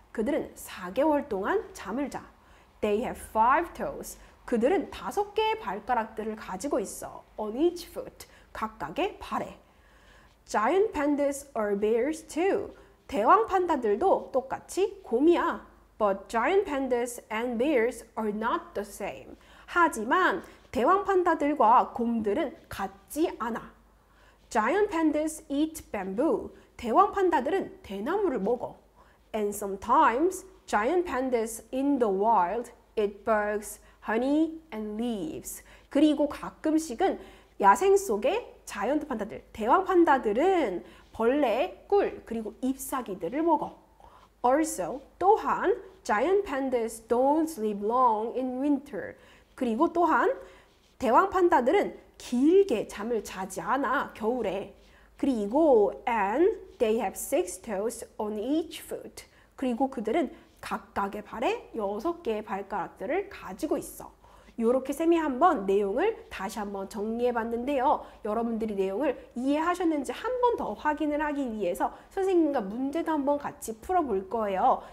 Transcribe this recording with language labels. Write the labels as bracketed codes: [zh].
[ko] 그들은 4개월 동안 잠을 자. [en] They have 5 toes. [ko] 그들은 5개의 발가락들을 가지고 있어. [en] On each foot, [ko] 각각의 발에. [en] Giant pandas are bears too. [ko] 대왕 판다들도 똑같이 곰이야. [en] But giant pandas and bears are not the same. [ko] 하지만 대왕 판다들과 곰들은 같지 않아. [en] Giant pandas eat bamboo. [ko] 대왕 판다들은 대나무를 먹어. [en] And sometimes giant pandas in the wild eat bugs, honey and leaves. [ko] 그리고 가끔씩은 야생 속에 자이언트 판다들, 대왕 판다들은 벌레의 꿀, 그리고 잎사귀들을 먹어. [en] Also, [ko] 또한 [en] giant pandas don't sleep long in winter. [ko] 그리고 또한 대왕 판다들은 길게 잠을 자지 않아, 겨울에. 그리고, [en] and they have 6 toes on each foot. [ko] 그리고 그들은 각각의 발에 6개의 발가락들을 가지고 있어. 요렇게 쌤이 한번 내용을 다시 한번 정리해 봤는데요. 여러분들이 내용을 이해하셨는지 한번더 확인을 하기 위해서 선생님과 문제도 한번 같이 풀어 볼 거예요.